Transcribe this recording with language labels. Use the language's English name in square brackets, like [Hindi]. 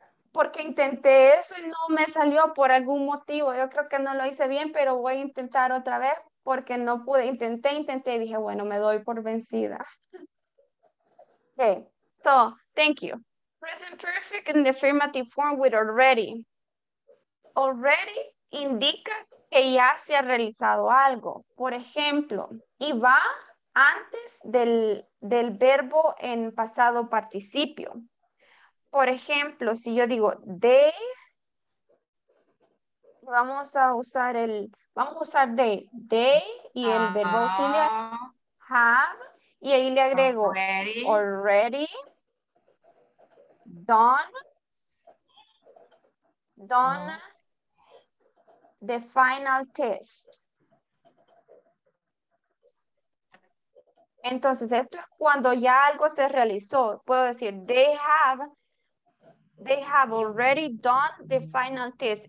[Spanish] Porque intenté eso y no me salió por algún motivo. Yo creo que no lo hice bien, pero voy a intentar otra vez porque no pude. Intenté y dije, bueno, me doy por vencida. [English] Okay, so thank you. Present perfect in the affirmative form with already. [Spanish] Already indica que ya se ha realizado algo. Por ejemplo, y va antes del verbo en pasado participio. Por ejemplo, si yo digo they, vamos a usar they. They y el verbo auxiliar have. Y ahí le agrego [English] already done the final test. [Spanish] Entonces, esto es cuando ya algo se realizó. Puedo decir, [English] they have already done the final test.